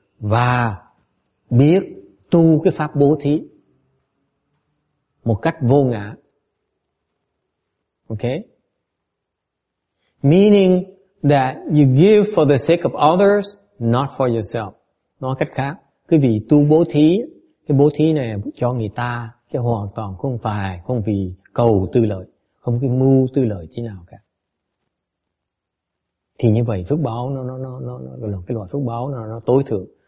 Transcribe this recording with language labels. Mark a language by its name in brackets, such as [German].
[Vietnamese] Và biết tu cái pháp bố thí một cách vô ngã. [English] Okay? Meaning that you give for the sake of others, not for yourself. [Vietnamese] Nói cách khác, quý vị tu bố thí, cái bố thí này cho người ta, chứ hoàn toàn không phải không vì cầu tư lợi, không cái mưu tư lợi thế nào cả. Thì như vậy phước báo nó cái loại phước báo nó tối thượng.